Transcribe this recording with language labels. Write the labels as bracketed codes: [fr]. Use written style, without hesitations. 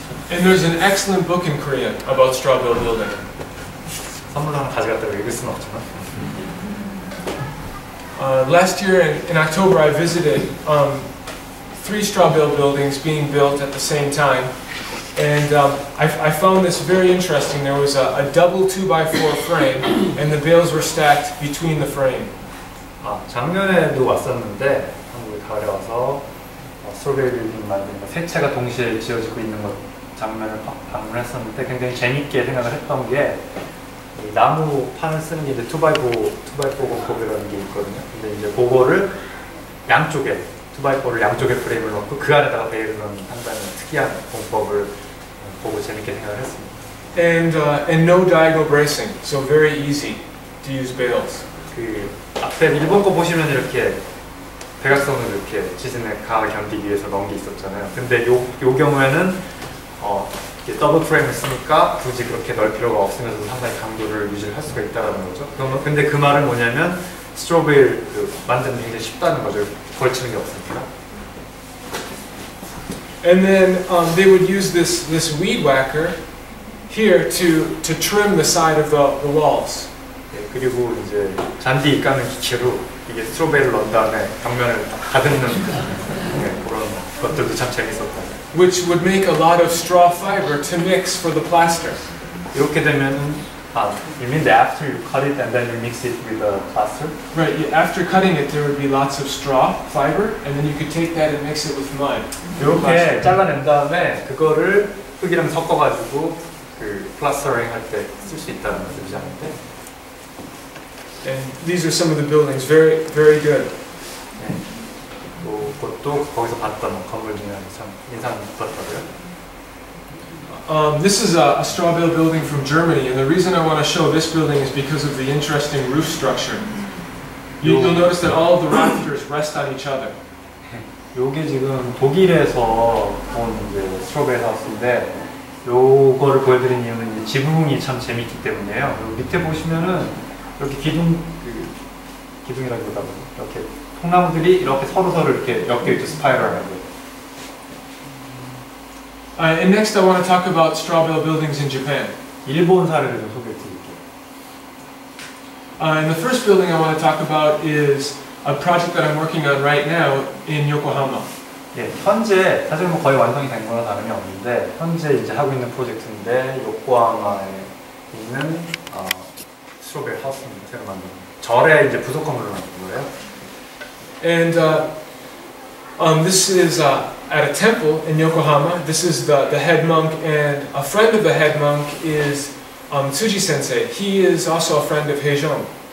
[en] And there's an excellent book in Korea about straw bale building. [ko] 선물로 하나 가져갔다고 읽을 수는 없지만. [en] Last year in October, I visited three straw bale buildings being built at the same time, and I found this very interesting. There was a double 2x4 frame, and the bales were stacked between the frame. [ko] 아, 작년에도 왔었는데 한국에 가려와서 스트로베일 빌딩 만드는 세 채가 동시에 지어지고 있는 것 장면을 방문했었는데 굉장히 재밌게 생각을 했던 게 이 나무 판을 쓰는 게 이제 2x4 곱이라는 게 있거든요. 근데 이제 그거를 양쪽에 2x4를 양쪽에 프레임을 넣고 그 안에다가 베일을 넣는 상당히 특이한 공법을 보고 재밌게 생각을 했습니다. [en] And no diagonal bracing, so very easy to use bales. [ko] 그 앞에 일본 거 보시면 이렇게 대각선을 이렇게 지진의 가을 견디기 위해서 넣은 게 있었잖아요. 근데 요 경우에는 이렇게 더블 프레임을 쓰니까 굳이 그렇게 넣을 필요가 없으면서 상당히 강도를 유지할 수가 있다는 거죠. 근데 그 말은 뭐냐면 스트로베일 그 만드는 게 굉장히 쉽다는 거죠. 걸치는 게 없으니까. [en] And then they would use this weed whacker here to trim the side of the walls. [ko] 네, 그리고 이제 잔디 깎는 기체로 이게 스트로베일을 넣은 다음에 벽면을 가득는 그런 것들도 참 재밌었다. [en] Which would make a lot of straw fiber to mix for the plaster. [ko] 이렇게 되면 [en] you mean that after you cut it and then you mix it with the plaster? Right, after cutting it there would be lots of straw fiber and then you could take that and mix it with mud. [ko] 이렇게 잘라낸 다음에 그거를 흙이랑 섞어가지고 그 플라스터링 할 때 쓸 수 있다는 말씀이지 않은데? [en] And these are some of the buildings. Very, very good. [ko] 네. 그것도 거기서 봤던 건물 중에 참 인상 깊었더라고요. [en] This is a straw bale building from Germany. And the reason I want to show this building is because of the interesting roof structure. You'll notice that all of the rafters rest on each other. [ko] 이게 지금 독일에서 온 이제 스트로 베일 하우스인데 요거를 보여드린 이유는 이제 지붕이 참 재밌기 때문이에요. 요 밑에 보시면은 이렇게 기둥이라기보다 이렇게 통나무들이 이렇게 서로서로 이렇게 엮여있죠, 스파이럴하고. [en] And next I want to talk about straw bale buildings in Japan. [ko] 일본 사례를 좀 소개해 드릴게요. [en] And the first building I want to talk about is a project that I'm working on right now in Yokohama. [ko] 예, 현재 사실 뭐 거의 완성이 된 거나 다름이 없는데 현재 이제 하고 있는 프로젝트인데 요코하마에 있는 스트로베일 하우스입니다. 새로 만든 절에 이제 부속 건물을 만든 거예요. [en] And this is at a temple in Yokohama. This is the head monk and a friend of the head monk is Tsuji sensei. He is also a friend of Heijong.